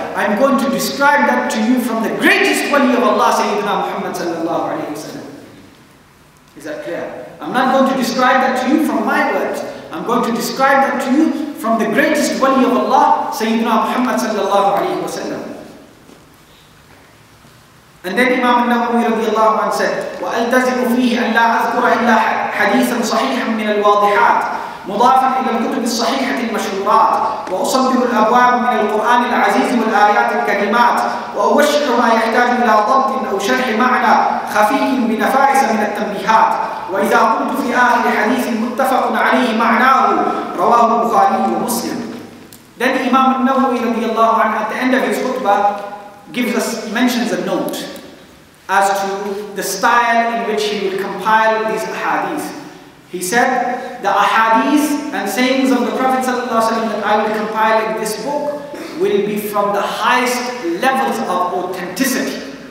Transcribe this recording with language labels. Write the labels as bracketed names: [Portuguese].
[English] I'm going to describe that to you from the greatest wali of Allah, Sayyidina Muhammad sallallahu alayhi wa sallam. Is that clear? I'm not going to describe that to you from my words. I'm going to describe that to you from the greatest wali of Allah, Sayyidina Muhammad sallallahu alayhi wa sallam. And then Imam al-Nawawi radiallahu anhu said, [Arabic] وَأَلْتَزِمُ فِيهِ أَنْ لَا أَذْكُرَ إِلَّا حَدِيثًا صَحِيحًا مِنَ الْوَاضِحَاتِ مُضَافًا إِلَى الْكُتُبِ الصَّحِيحَةِ الْمَشْهُورَاتِ وَأُصَدِّرُ الْأَبْوَابَ مِنَ الْقُرْآنِ الْعَزِيزِ وَالْآيَاتِ الْكَرِيمَاتِ وَأُوَشِّرُ مَا يَحْتَاجُ إِلَى ضَبْطٍ أَوْ شَرْحِ مَعْنَى خَفِيٍّ بِنَفَائِسَ مِنَ التَّنْبِيهَاتِ وَإِذَا قُلْتُ فِي آخِرِ حَدِيثٍ مُتَّفَقٌ عَلَيْهِ مَعْنَاهُ رَوَاهُ الْبُخَارِيُّ وَمُسْلِمٌ. [English] Then Imam al-Nawawi radiallahu anhu, at the end of his khutbah, mentions a note as to the style in which he would compile these ahadith. He said, the ahadith and sayings of the Prophet ﷺ that I will compile in this book will be from the highest levels of authenticity.